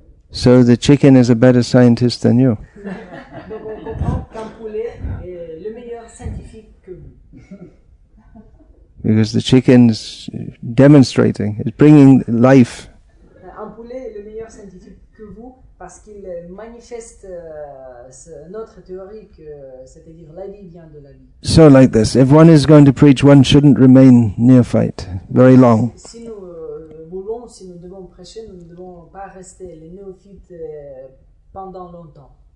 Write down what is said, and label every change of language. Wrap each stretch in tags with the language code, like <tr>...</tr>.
<en>So the chicken is a better scientist than you.</en> <fr>Donc on comprend qu'un poulet est le meilleur scientifique que vous.</fr> <en>Because the chicken is demonstrating, it's bringing life.</en> <fr>Un poulet est le meilleur scientifique que vous parce qu'il manifeste notre théorie que c'est-à-dire la vie vient de la vie.</fr> <en>So like this, if one is going to preach, one shouldn't remain neophyte very long.</en> <fr>Si nous voulons, si nous devons prêcher, nous ne devons pas rester les néophytes pendant longtemps.</fr>